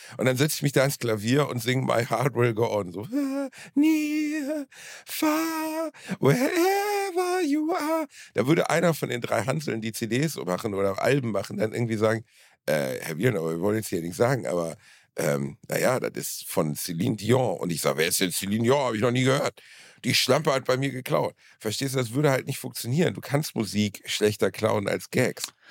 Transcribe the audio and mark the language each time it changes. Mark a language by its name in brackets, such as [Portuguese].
[German] Und dann setze ich mich da ins Klavier und singe My Heart Will Go On. [English] So, near, far, wherever you are. [German] Da würde einer von den drei Hanseln die CDs machen oder Alben machen, dann irgendwie sagen, Herr Wielner, wir wollen jetzt hier nichts sagen, aber naja, das ist von Céline Dion. Und ich sage, wer ist denn Céline Dion? Habe ich noch nie gehört. Die Schlampe hat bei mir geklaut. Verstehst du, das würde halt nicht funktionieren. Du kannst Musik schlechter klauen als Gags.